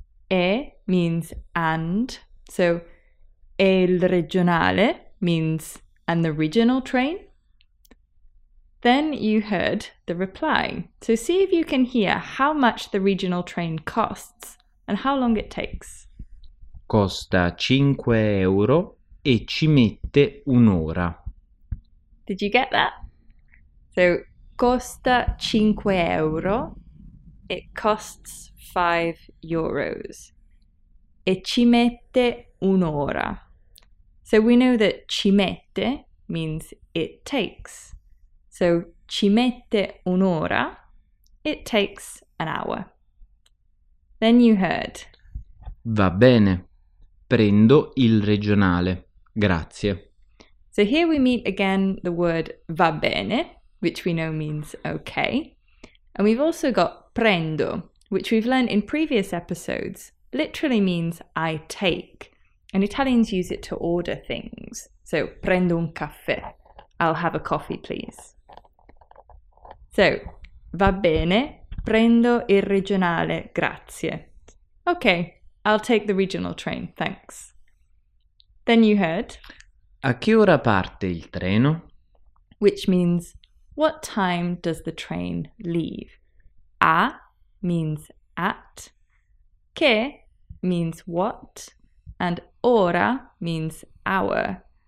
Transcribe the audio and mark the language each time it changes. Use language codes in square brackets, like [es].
[en] E means and. So [it] e il regionale [en] means and the regional train. Then you heard the reply. So see if you can hear how much the regional train costs and how long it takes. [it] Costa 5 euro e ci mette un'ora. [en] Did you get that? So [it] costa 5 euro. [en] It costs 5 euros. [it] E ci mette un'ora. [en] So we know that ci mette means it takes. So [it] ci mette un'ora, [en] it takes an hour. Then you heard. [it] Va bene, prendo il regionale, grazie. [en] So here we meet again the word va bene, which we know means okay. And we've also got prendo, which we've learned in previous episodes, literally means I take. And Italians use it to order things. So [it] prendo un caffè, [en] I'll have a coffee please. [it] So, va bene, prendo il regionale, grazie. [en] Okay, I'll take the regional train, thanks. Then you heard. [it] A che ora parte il treno? [en] Which means, what time does the train leave? A means at, che means what, and ora means hour.